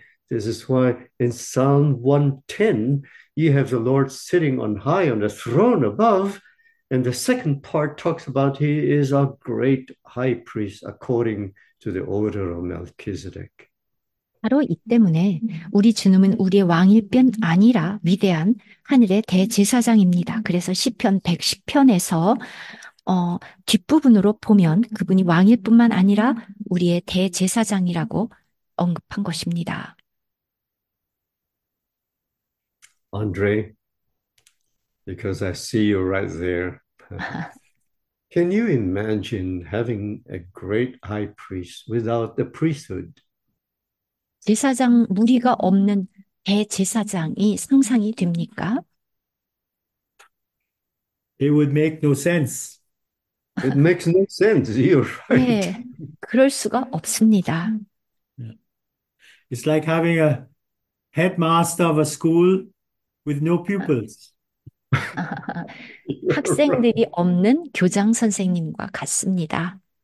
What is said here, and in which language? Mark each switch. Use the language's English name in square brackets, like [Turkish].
[English] This is why in Psalm 110, you have the Lord sitting on high on the throne above. And the second part talks about he is our great high priest according to the order of Melchizedek. [Korean] 바로 이 때문에 우리 주님은 우리의 왕일 뿐 아니라 위대한 하늘의 대제사장입니다. 그래서 시편 110편에서 뒷부분으로 보면 그분이 왕일 뿐만 아니라 우리의 대제사장이라고 언급한 것입니다. [English] Andre, because I see you right there, can you imagine having a great high priest without the priesthood? [Korean] 제사장 무리가 없는 대제사장이 상상이 됩니까? [English] It would make no sense. It makes no sense. You're right. [Korean] 네, 그럴 수가 없습니다. [English] It's like having a headmaster of a school with no pupils. [Korean] 학생들이 없는 교장 선생님과 같습니다.